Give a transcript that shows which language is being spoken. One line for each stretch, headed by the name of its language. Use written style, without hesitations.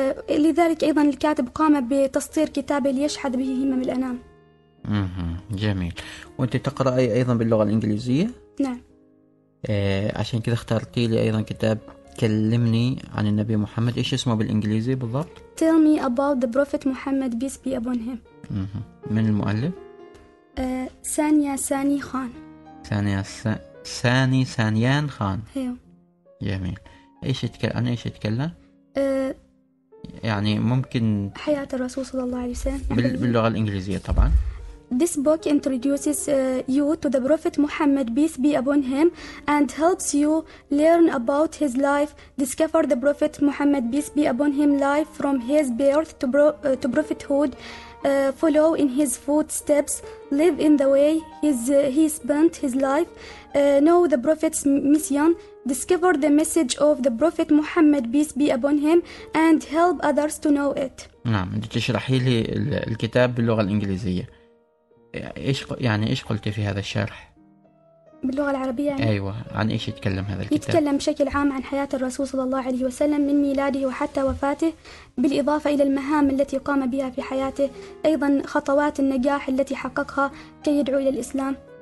Arabic: لذلك أيضا الكاتب قام بتسطير كتابه ليشحذ به همم الأنام. جميل. وأنت تقرأي أيضا باللغة الإنجليزية؟ نعم. عشان كذا اخترتي لي أيضا كتاب كلمني عن النبي محمد. إيش اسمه بالإنجليزي بالضبط؟
English: Tell me about the Prophet Muhammad, peace be upon him.
Arabic: من المؤلف؟ سانيا ساني خان. ساني سانيان خان. هيو. جميل. إيش يتكلم؟ أنا إيش يتكلم؟ يعني ممكن حياة الرسول صلى الله عليه وسلم باللغة الإنجليزية طبعا.
English: This book introduces you to the Prophet Muhammad, peace be upon him, and helps you learn about his life, discover the Prophet Muhammad, peace be upon him, life from his birth to prophethood, follow in his footsteps, live in the way he spent his life, know the Prophet's mission, discover the message of the Prophet Muhammad, peace be upon him, and help others to know it.
Arabic: نعم، تشرحي لي الكتاب باللغة الإنجليزية. ايش قلتي في هذا الشرح باللغه العربيه؟ يعني ايوه، عن ايش يتكلم هذا الكتاب؟ يتكلم بشكل عام عن حياه الرسول صلى الله عليه وسلم من ميلاده وحتى وفاته، بالاضافه الى المهام التي قام بها في حياته، ايضا خطوات النجاح التي حققها كي يدعو الى الاسلام.